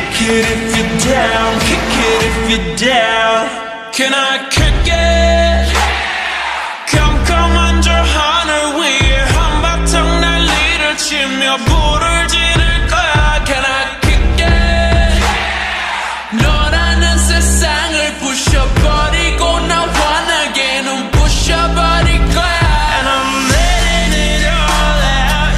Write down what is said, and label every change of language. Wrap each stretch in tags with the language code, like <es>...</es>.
<en>if you're down, kick it if you're down. Can I kick it? Yeah! Come, come on, your honor, we're</en> <ko>한바탕 난리를 치며 불을 지를 거야.</ko> <en>Can I kick it? Yeah!</en> <ko>너라는 세상을 부셔버리고 나 환하게 눈 부셔버릴 거야.</ko> <en>And I'm letting it all out.</en>